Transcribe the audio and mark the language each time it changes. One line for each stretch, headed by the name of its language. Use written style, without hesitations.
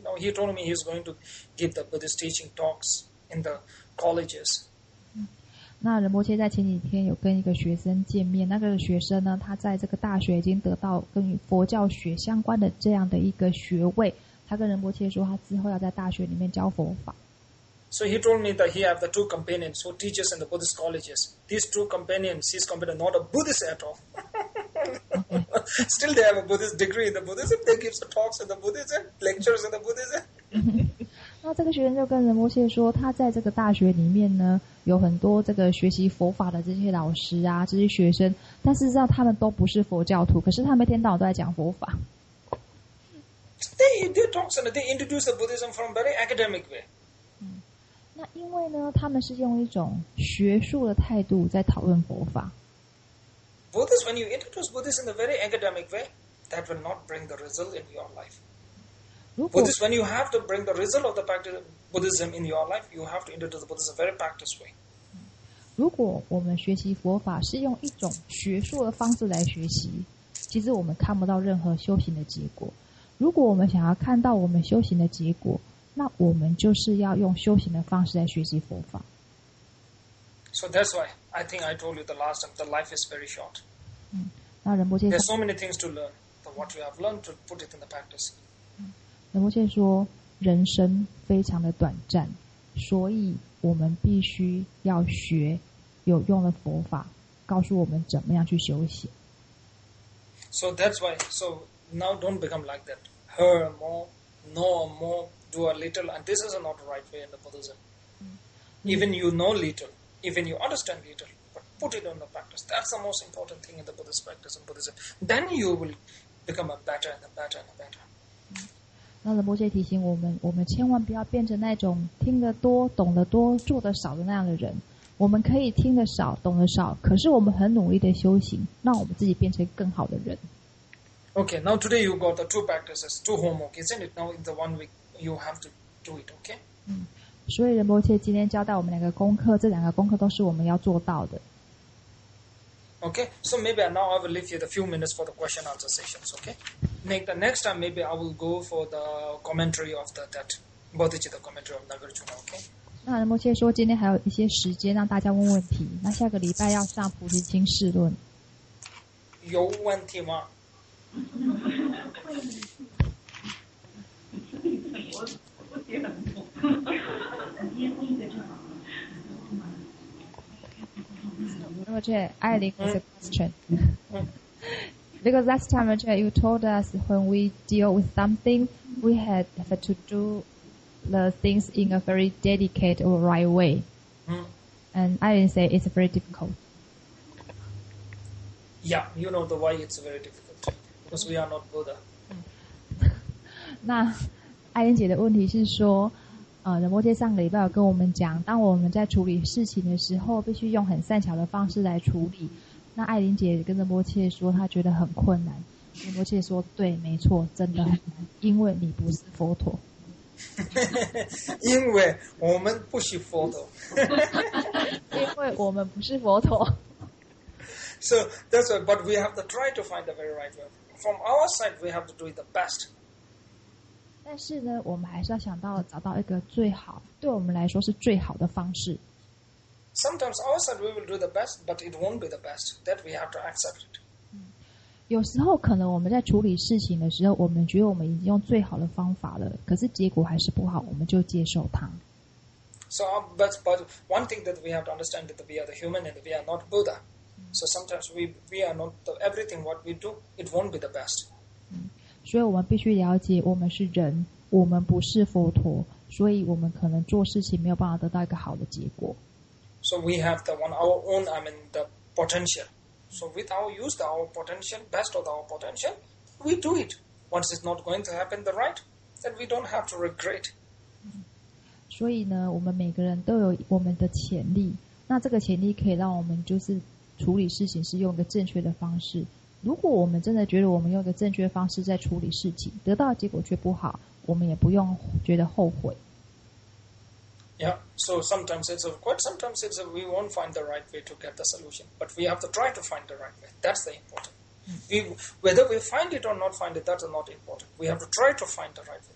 English: Now he told me he's going to give the Buddhist teaching talks in the colleges.
Chinese: 那仁波切在前几天有跟一个学生见面，那个学生呢，他在这个大学已经得到跟佛教学相关的这样的一个学位。他跟仁波切说，他之后要在大学里面教佛法。
English: So he told me that he have the two companions who teaches in the Buddhist colleges. These two companions, his companion not a Buddhist at all. Still, they have a Buddhist degree in the Buddhism. They give talks in the Buddhism, lectures in the Buddhism.
Chinese: 那这个学生就跟仁波切说，他在这个大学里面呢，有很多这个学习佛法的这些老师啊，这些学生，但事实上他们都不是佛教徒，可是他们天天都在讲佛法。
English: They talk some, they introduce the Buddhism from very academic way.
Chinese: 那因为呢，他们是用一种学术的态度在讨论佛法。
English: Buddhist, when you introduce Buddhist in a very academic way, that will not bring the result in your life. Buddhist, when you have to bring the result of the practice Buddhism in your life, you have to introduce Buddhism in a very practiced way.
Chinese: 如果我们学习佛法是用一种学术的方式来学习，其实我们看不到任何修行的结果。如果我们想要看到我们修行的结果，那我们就是要用修行的方式来学习佛法。
English: So that's why I think I told you the last time, the life is very short.
Chinese: 那仁波切
English: There's so many things to learn, but what you have learned to put it in the practice.
Chinese: 仁波切说，人生非常的短暂，所以我们必须要学有用的佛法，告诉我们怎么样去修行。
English: So that's why, so now don't become like that. Hear more, know more. Do a little, and this is not the right way in the Buddhism. Even you know little, even you understand little, but put it into practice. That's the most important thing in the Buddhist practice and Buddhism. Then you will become a better and a better and a better.
Chinese: 那仁波切提醒我们千万不要变成那种听得多、懂得多、做得少的那样的人。我们可以听得少、懂得少，可是我们很努力的修行，让我们自己变成更好的人。
English: Okay, now today you got the two practices, two homework, isn't it? Now in the 1 week. You have to do it, okay?
Chinese: 所以仁波切今天交代我们两个功课，这两个功课都是我们要做到的。
English: Okay, so maybe now I will leave you the few minutes for the question answer sessions, okay? Make the next time maybe I will go for the commentary of the, that Bodhicitta commentary of Nagarjuna, okay?
Chinese: 那仁波切说今天还有一些时间让大家问问题，那下个礼拜要上菩提心试论。有问题吗？
English: Okay, I think it's a question. Because last time, Ajay, you told us when we deal with something, we have to do the things in a very dedicated or right way. And I didn't say it's very difficult. Yeah, you know the why it's very difficult. Because we are not Buddha.
Chinese: 那艾琳姐的问题是说，仁波切上个礼拜有跟我们讲，当我们在处理事情的时候，必须用很善巧的方式来处理。那艾琳姐跟仁波切说，她觉得很困难。仁波切说，对，没错，真的很难，因为你不是佛陀。因为我们不是佛陀。因为我们不是佛陀。
English: So that's why, but we have to try to find the very right way. From our side, we have to do it the best.
Chinese: 但是呢，我们还是要想到找到一个最好，对我们来说是最好的方式。
English: Sometimes our side we will do the best, but it won't be the best. That we have to accept it.
Chinese: 有时候可能我们在处理事情的时候，我们觉得我们已经用最好的方法了，可是结果还是不好，我们就接受它。
English: So, but one thing that we have to understand that we are the human and we are not Buddha. So sometimes we are not the, everything what we do, it won't be the best.
Chinese: 所以我们必须了解我们是人，我们不是佛陀，所以我们可能做事情没有办法得到一个好的结果。
English: So we have the one, our own, I mean the potential. So with our use the our potential, best of our potential, we do it. Once it's not going to happen the right, then we don't have to regret.
Chinese: 所以呢，我们每个人都有我们的潜力，那这个潜力可以让我们就是处理事情是用一个正确的方式。如果我们真的觉得我们用一个正确的方式在处理事情，得到结果却不好，我们也不用觉得后悔。
English: Yeah, so sometimes it's a, quite sometimes it's a, we won't find the right way to get the solution, but we have to try to find the right way. That's the important. We, whether we find it or not find it, that's not important. We have to try to find the right way.